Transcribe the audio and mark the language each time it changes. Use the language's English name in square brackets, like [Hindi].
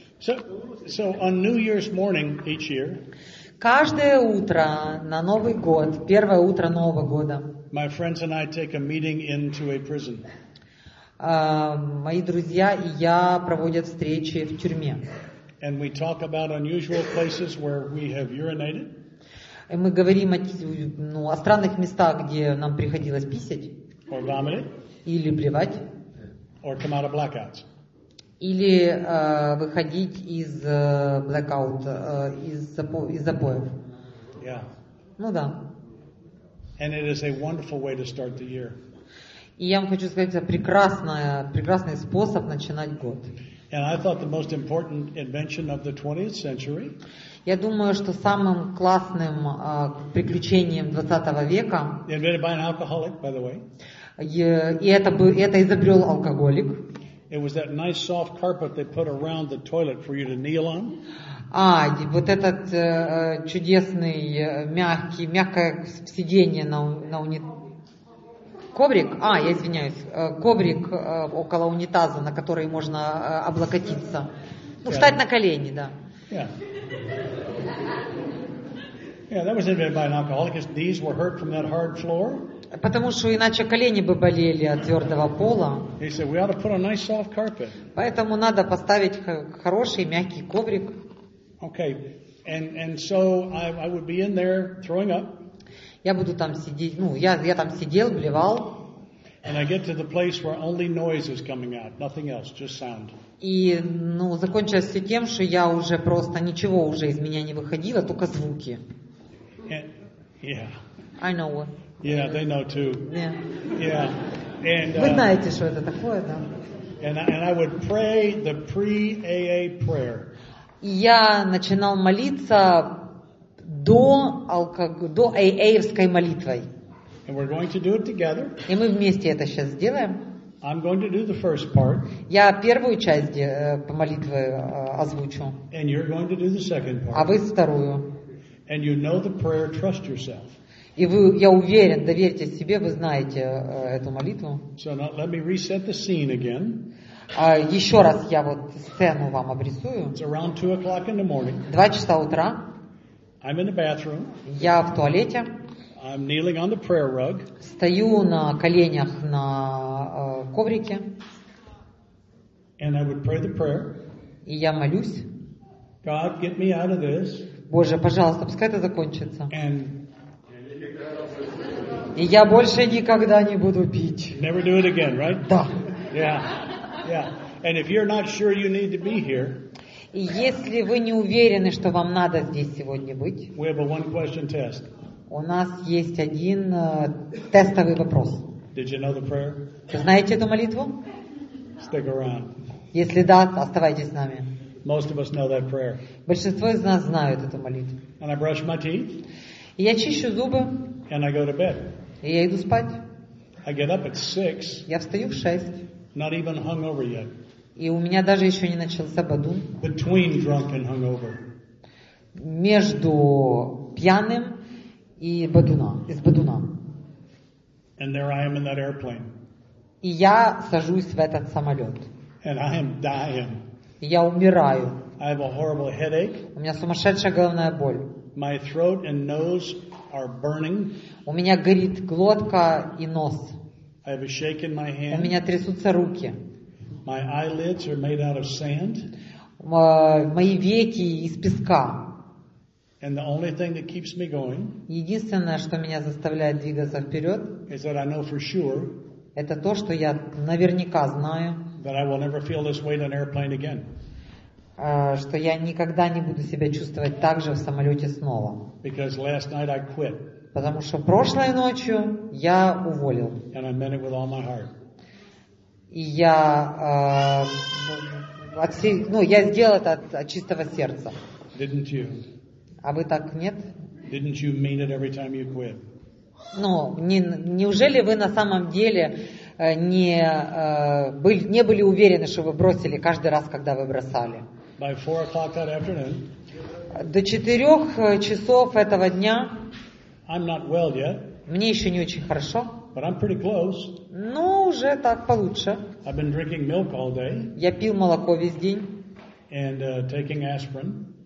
[English] So on New Year's morning each year, [Russian] каждое утро на Новый год, первое утро Нового года, [English] my friends and I take a meeting into a prison. [Russian] Мои друзья и я проводят встречи в тюрьме. [English] And we talk about unusual places where we have urinated. [Russian] И мы говорим о странных местах, где нам приходилось писать. [English] Or vomiting. [Russian] Или блевать. [English] Or come out of blackouts. [Russian] Или выходить из blackout, из запоев. [English] Yeah. [Russian] Ну да. [English] And it is a wonderful way to start the year. [Russian] И я вам хочу сказать, это прекрасный способ начинать год. [English] And I thought the most important invention of the 20th century. [Russian] Я думаю, что самым классным приключением 20 века. [English] Invented by an alcoholic, by the way. [Russian] И это изобрел алкоголик. [English] It was that nice soft carpet they put around the toilet for you to kneel on. [Russian] А, вот этот чудесный мягкое сиденье на унитазе. Коврик? А, я извиняюсь. Коврик около унитаза, на который можно облокотиться. Ну, yeah. Встать на колени, да. [English] Yeah. Yeah, that was invented by an alcoholic. His knees were hurt from that hard floor. [Russian] Потому что иначе колени бы болели от твердого пола. [English] He said, we ought to put a nice soft carpet. [Russian] Поэтому надо поставить хороший мягкий коврик. [English] Okay, and so I would be in there throwing up. [Russian] Я буду там сидеть, ну, я там сидел, блевал. [English] And I get to the place where only noise is coming out, nothing else, just sound. [Russian] И, ну, закончилось все тем, что я уже просто ничего уже из меня не выходило, только звуки. [English] Yeah. I know. Yeah, they know too. Yeah. Yeah. And, [Russian] вы знаете, что это такое, да? [English] And I would pray the pre-AA prayer. [Russian] Я начинал молиться до ААевской молитвой. [English] And we're going to do it together. [Russian] И мы вместе это сейчас сделаем. [English] I'm going to do the first part. [Russian] Я первую часть по молитве озвучу. [English] And you're going to do the second part. [Russian] А вы вторую. [English] And you know the prayer, trust yourself. [Russian] И вы, я уверен, доверьте себе, вы знаете эту молитву. [English] So now let me reset the scene again. [Russian] Еще раз я вот сцену вам обрисую. [English] It's around 2 o'clock in the morning. [Russian] 2 часа утра. [English] I'm in the bathroom. [Russian] Я в туалете. [English] I'm kneeling on the prayer rug. [Russian] Стою на коленях на коврике. [English] And I would pray the prayer. [Russian] И я молюсь. [English] God, get me out of this. [Russian] Боже, пожалуйста, пускай это закончится. [English] And [Russian] и я больше никогда не буду пить. [English] Never do it again, right? [Russian] Да. [English] Yeah. Yeah. And if you're not sure you need to be here. [Russian] И если вы не уверены, что вам надо здесь сегодня быть, [English] we have a one question test. [Russian] У нас есть один тестовый вопрос. [English] Did you know the prayer? [Russian] Знаете эту молитву? [English] Stick around. [Russian] Если да, оставайтесь с нами. [English] Most of us know that prayer. [Russian] Большинство из нас знают эту молитву. [English] And I brush my teeth. [Russian] Я чищу зубы. [English] And I go to bed. [Russian] И я иду спать. [English] I get up at 6. [Russian] Я встаю в 6. [English] Not even hungover yet. [Russian] И у меня даже еще не начался бадун. [English] Between drunk and hungover. [Russian] Между пьяным и бадуном, из бадуна. [English] And there I am in that airplane. [Russian] И я сажусь в этот самолет. [English] And I am dying. [Russian] И я умираю. [English] I have a horrible headache. [Russian] У меня сумасшедшая головная боль. [English] My throat and nose are burning. [Russian] У меня горит глотка и нос. [English] I have a shake in my hand. [Russian] У меня трясутся руки. [English] My eyelids are made out of sand. [Russian] Мои веки из песка. [English] And the only thing that keeps me going, [Russian] единственное, что меня заставляет двигаться вперед, [English] is that I know for sure, [Russian] это то, что я наверняка знаю, [English] that I will never feel this weight on airplane again. [Russian] Что я никогда не буду себя чувствовать так же в самолете снова. [English] Because last night I quit. [Russian] Потому что прошлой ночью я уволил. [English] And I meant it with all my heart. [Russian] И я, я сделал это от чистого сердца. [English] Didn't you? [Russian] А вы так нет? [English] Didn't you mean it every time you quit? [Russian] Неужели вы на самом деле не были уверены, что вы бросили каждый раз, когда вы бросали? [English] By 4 o'clock that afternoon. [Russian] До 4 часов этого дня. [English] I'm not well yet. [Russian] Мне еще не очень хорошо. [English] But I'm pretty close. [Russian] Ну, уже так получше. [English] I've been drinking milk all day. [Russian] Я пил молоко весь день. [English] And taking aspirin.